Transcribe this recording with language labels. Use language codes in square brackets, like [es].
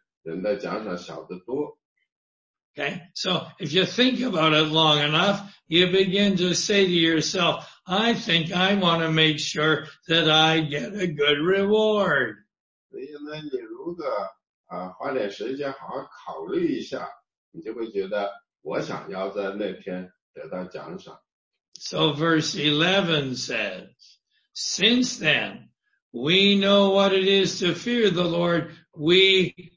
[zh] 天堂的审判日那天呢，他得到的奖赏比那个只成为基督徒4个小时的那个人的奖赏小得多。Okay, [en] so if you think about it long enough, you begin to say to yourself, I think I want to make sure that I get a good reward. [zh] 所以呢，你如果花点时间好好考虑一下，你就会觉得我想要在那天得到奖赏。 [en] So verse 11 says, since then, we know what it is to fear the Lord. We